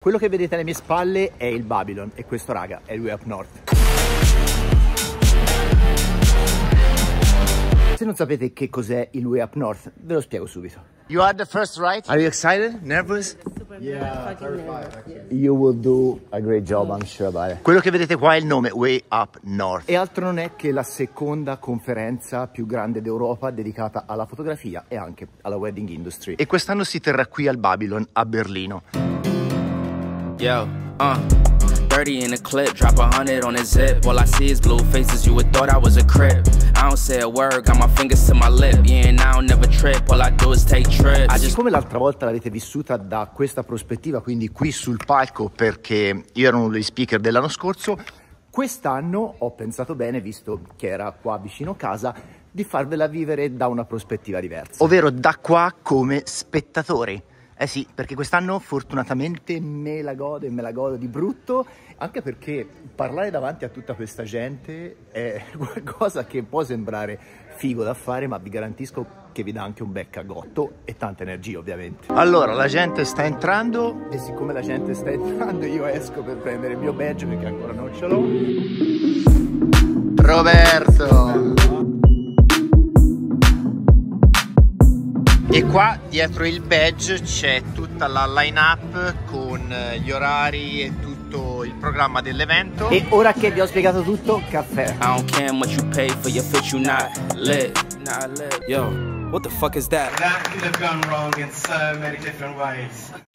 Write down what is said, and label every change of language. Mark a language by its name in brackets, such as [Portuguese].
[Italian] Quello che vedete alle mie spalle è il Babylon e questo raga è il Way Up North. Se non sapete che cos'è il Way Up North, ve lo spiego subito. [English] You are the first, right? Are you excited? Nervous? Yeah, terrified. Yes. You will do a great job, I'm sure about it. [Italian] Quello che vedete qua è il nome, Way Up North. E altro non è che la seconda conferenza più grande d'Europa dedicata alla fotografia e anche alla wedding industry. E quest'anno si terrà qui al Babylon, a Berlino. [English] Yo, dirty in a clip, drop 100 on a zip. All I see is blue faces, you would thought I was a crip. I don't say a word, got my fingers to my lip. Yeah, and I don't never trip, all I do is take trips. [Italian] Siccome l'altra volta l'avete vissuta da questa prospettiva, quindi qui sul palco, perché io ero uno degli speaker dell'anno scorso, quest'anno ho pensato bene, visto che era qua vicino casa, di farvela vivere da una prospettiva diversa. Ovvero da qua come spettatori. Eh sì, perché quest'anno fortunatamente me la godo e me la godo di brutto, anche perché parlare davanti a tutta questa gente è qualcosa che può sembrare figo da fare, ma vi garantisco che vi dà anche un bel cagotto e tanta energia, ovviamente. Allora, la gente sta entrando. E siccome la gente sta entrando, io esco per prendere il mio badge, perché ancora non ce l'ho. Roberto! E qua dietro il badge c'è tutta la line up con gli orari e tutto il programma dell'evento. E ora che vi ho spiegato tutto, caffè. [English] I don't care what you pay for your fish, you not lit. Not lit. Yo, what the fuck is that? That could have gone wrong in so many different ways.